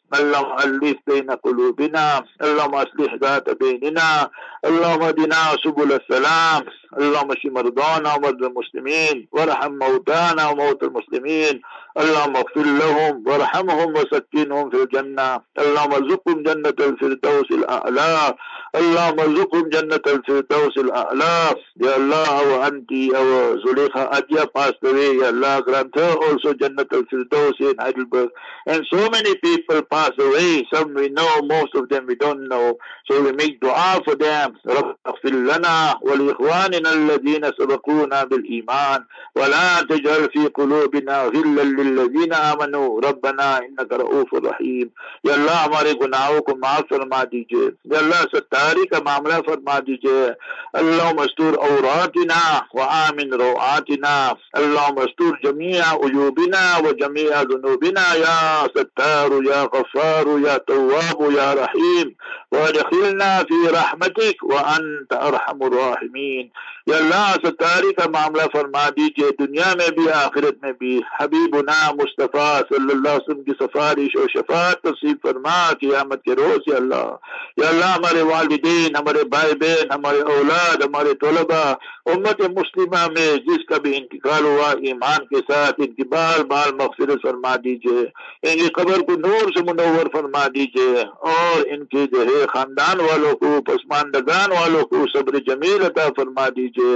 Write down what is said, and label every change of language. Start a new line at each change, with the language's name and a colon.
Arabic: اللهم ألف بين قلوبنا، اللهم أصلح ذات بيننا، اللهم اهدنا سبل السلام، اللهم اشف مرضانا ومرضى المسلمين، وارحم موتانا وموتى المسلمين، اللهم اغفر لهم وارحمهم وسكنهم في الجنة، اللهم ارزقهم جنة الفردوس الأعلى، اللهم ارزقهم جنة الفردوس الأعلى، يا الله وأنت أو زليخة أديا باستوي، يا الله
English: grant her also
Arabic: جنة الفردوس in Heidelberg.
English: And so many people passed away, some we know, most of them we don't know, so we make dua for them.
Arabic: رب اغفر لنا ولإخواننا الذين سبقونا بالإيمان ولا تجعل في قلوبنا غلا للذين آمنوا ربنا إنك رؤوف رحيم. يا الله
Urdu: ہمارے گناہوں کو معاف فرما دیجئے،
Arabic: يا الله
Urdu: ستاری کا معاملہ فرما دیجئے،
Arabic: اللهم استور عوراتنا وآمن روعاتنا، اللهم استور جميع عيوبنا وجميع ذنوبنا، يا ستار يا غفار يا تواب يا رحيم، وادخلنا في رحمتك وأنت أرحم الراحمين.
Urdu: يا الله ستاری کا معاملہ فرما دیجئے، دنیا میں بھی آخرت میں بھی، حبیبنا مصطفیٰ صلی اللہ علیہ وسلم کی سفارش و شفاعت نصیب فرما قیامت کے روز. يا الله يا الله ہمارے والدین، ہمارے بھائی بہن، ہمارے اولاد، ہمارے طلباء، امت مسلمہ میں جس کا بھی انتقال ہوا ایمان کے ساتھ، ان کی بال بال مغفرت فرما دیجئے، ان کی قبر کو نور سے منور فرما دیجئے، اور ان کے جو ہے خاندان والوں کو، پسماندگان والوں کو صبر جمیل عطا فرما دیجئے.